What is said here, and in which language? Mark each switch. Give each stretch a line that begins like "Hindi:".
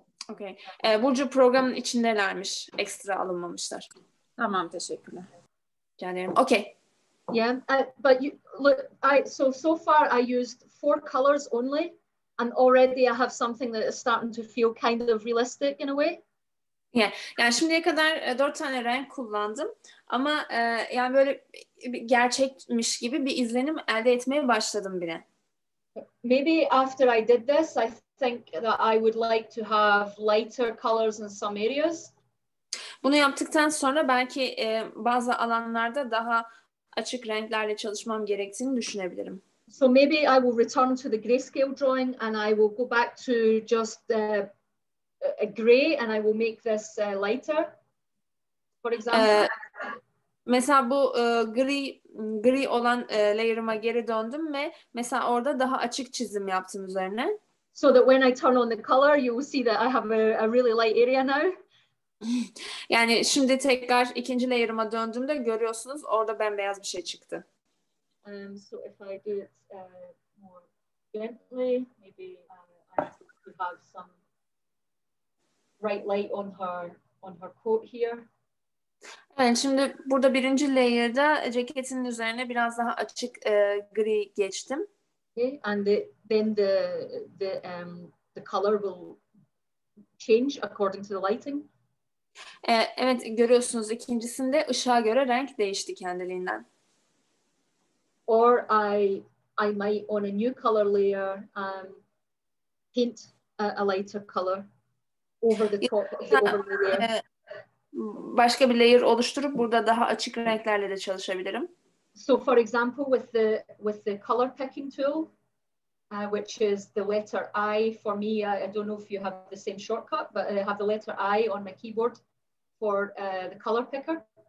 Turkish: Okay. Burcu programın içindelermiş. Ekstra alınmamışlar. Tamam, teşekkürler. Canlarım. Okay.
English: Yeah, but you look, so far I used four colors only and already I have something that is starting to feel kind of realistic in a way. Yeah.
Turkish: Yani şimdiye kadar dört tane renk kullandım ama yani böyle gerçekmiş gibi bir izlenim elde etmeye başladım bile.
English: Maybe after I did this, I think that I would like to have lighter colors in some areas.
Turkish: Bunu yaptıktan sonra belki bazı alanlarda daha açık renklerle çalışmam gerektiğini düşünebilirim.
English: So maybe I will return to the grayscale drawing and I will go back to just a gray and I will make this lighter. For example,
Turkish: mesela bu gri olan layer'ıma geri döndüm ve mesela orada daha açık çizim yaptım üzerine.
English: So that when I turn on the color, you will see that I have a really light area now.
Turkish: Yani şimdi tekrar ikinci layer'ıma döndüğümde görüyorsunuz orada bembeyaz bir şey çıktı.
English: So if I do it more gently, maybe I have some bright light on her coat here.
Turkish: Yani şimdi burada birinci layer'da ceketinin üzerine biraz daha açık gri geçtim.
English: Okay, and then the color will change according to the lighting.
Turkish: Evet, görüyorsunuz ikincisinde ışığa göre renk değişti kendiliğinden.
English: Or I might on a new color layer paint a lighter color over the top of the layer.
Turkish: Başka bir layer oluşturup burada daha açık renklerle de çalışabilirim.
English: So for example with the color picking tool which is the letter I for me, I don't know if you have the same shortcut, but I have the letter I on my keyboard for the color picker.